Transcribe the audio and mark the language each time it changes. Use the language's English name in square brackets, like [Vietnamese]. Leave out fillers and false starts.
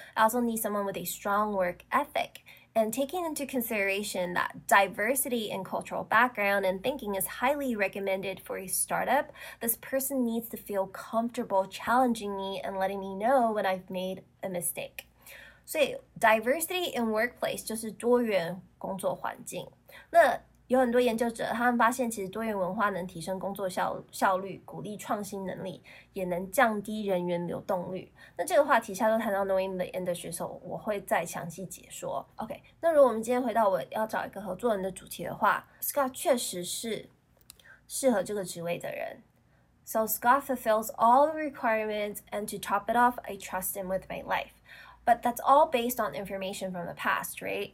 [English] I also need someone with a strong work ethic. And taking into consideration that diversity in cultural background and thinking is highly recommended for a startup, this person needs to feel comfortable challenging me and letting me know when I've made a mistake. So diversity in workplace [Chinese] 就是多元工作环境。那有很多研究者，他们发现其实多元文化能提升工作效率，鼓励创新能力，也能降低人员流动率。那这个话题下周谈到 knowing the industry 的时候，我会再详细解说。 OK， 那如果我们今天回到我要找一个合作人的主题的话 ，Scott 确实是适合这个职位的人。 [English] So Scott fulfills all the requirements, and to top it off, I trust him with my life. But that's all based on information from the past, right?